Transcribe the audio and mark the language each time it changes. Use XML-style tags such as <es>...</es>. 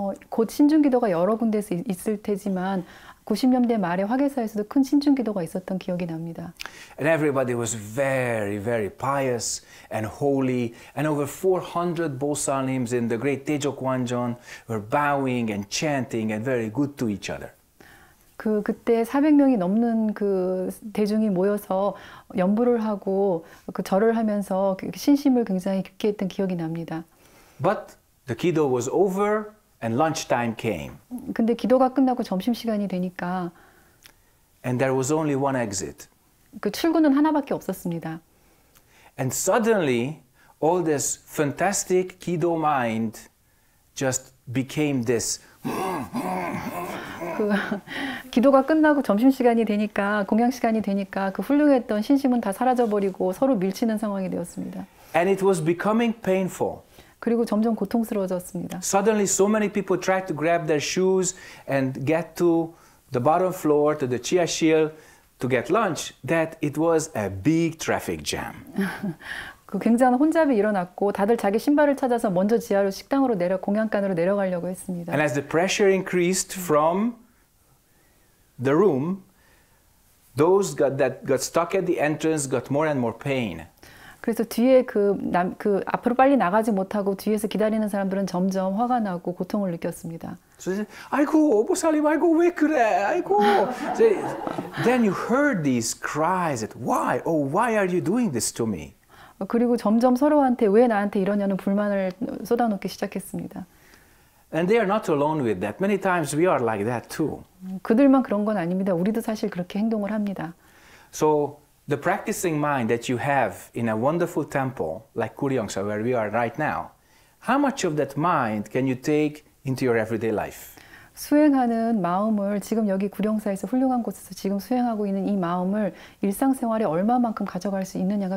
<ko>곧 신중기도가 여러 군데에서 있을 테지만 90년대 말에 화계사에서도 큰 신중기도가 있었던 기억이 납니다.</ko> <en>And everybody was very, very pious and holy, and over 400 보살님s in the great Daejeokwanjeon were bowing and chanting and very good to each other.</en> <ko>그때 400명이 넘는 그 대중이 모여서 염불을 하고 그 절을 하면서 신심을 굉장히 깊게 했던 기억이 납니다.</ko> <en>But the kido was over. And lunchtime came.</en> <ko>근데 기도가 끝나고 점심 시간이 되니까.</ko> <en>And there was only one exit.</en> <ko>그 출구는 하나밖에 없었습니다.</ko> <en>And suddenly, all this fantastic kido mind just became this.</en> <ko>그 기도가 끝나고 점심 시간이 되니까 공양 시간이 되니까 그 훌륭했던 신심은 다 사라져 버리고 서로 밀치는 상황이 되었습니다.</ko> <en>And it was becoming painful.</en> <ko>그리고 점점 고통스러워졌습니다.</ko> <en>Suddenly so many people tried to grab their shoes and get to the bottom floor to the chiashil to get lunch that it was a big traffic jam.</en> <ko>그 굉장한 혼잡이 일어났고 다들 자기 신발을 찾아서 먼저 지하로 식당으로 내려 공양간으로 내려가려고 했습니다.</ko> <en>And as the pressure increased from the room those got stuck at the entrance got more and more pain.</en> <ko>그래서 뒤에 앞으로 빨리 나가지 못하고 뒤에서 기다리는 사람들은 점점 화가 나고 고통을 느꼈습니다. 아이고, 오보살님, 아이고, 왜 그래?</ko> <en>아이고. Then you heard these cries that why? Oh, why are you doing this to me?</en> <ko>그리고 점점 서로한테 왜 나한테 이러냐는 불만을 쏟아놓기 시작했습니다.</ko> <en>And they are not alone with that. Many times we are like that too.</en> <ko>그들만 그런 건 아닙니다. 우리도 사실 그렇게 행동을 합니다.</ko> <en>So the practicing mind that you have in a wonderful temple like Kuryongsa, where we are right now, how much of that mind can you take into your everyday life?</en> <ko>수행하는 마음을 지금 여기 구령사에서 훌륭한 곳에서 지금 수행하고 있는 이 마음을 일상생활에 얼마만큼 가져갈 수 있느냐가</ko>